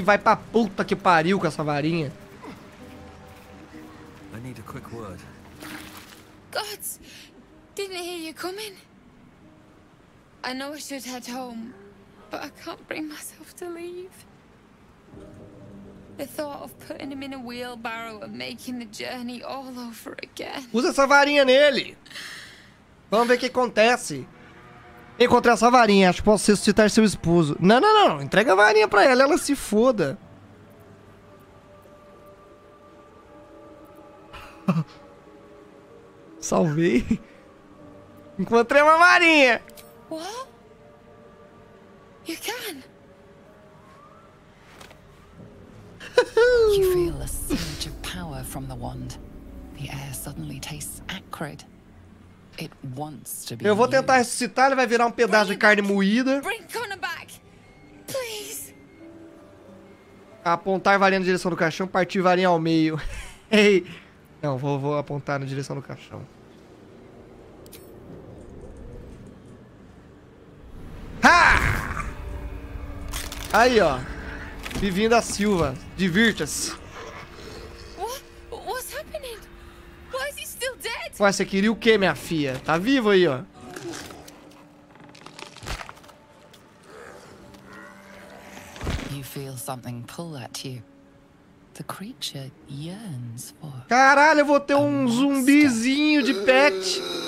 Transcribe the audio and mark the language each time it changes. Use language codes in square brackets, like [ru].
[pt] Vai pra puta que pariu com essa varinha. Eu preciso de uma palavra. Gods! Não ouvi você vindo? Eu sei que eu deveria ir para casa, mas eu não posso me deixar sair. [en] The thought of putting him in a wheelbarrow and making the journey all over again. [pt] Usa essa varinha nele. Vamos ver o que acontece. Encontrei essa varinha, acho que posso ressuscitar seu esposo. Não, não, não, entrega a varinha pra ela, ela se foda. Salvei. Encontrei uma varinha. [en] What? You can. You feel a surge of power from the wand. The air suddenly tastes acrid. It wants to be. [pt] Eu vou tentar ressuscitar, ele vai virar um pedaço de carne moída. [en] Bring Connor back, please. [pt] Apontar varinha na direção do caixão, partir varinha ao meio. Ei, não, vou apontar na direção do caixão. Ha! Aí, ó. Bem-vindo à Silva. Divirta-se. [en] What's happening? Why is he still dead? [pt] Ué, você queria o quê, minha filha? Tá vivo aí, ó. [en] You feel something pull at you. The creature yearns for. [pt] Caralho, eu vou ter um zumbizinho de pet.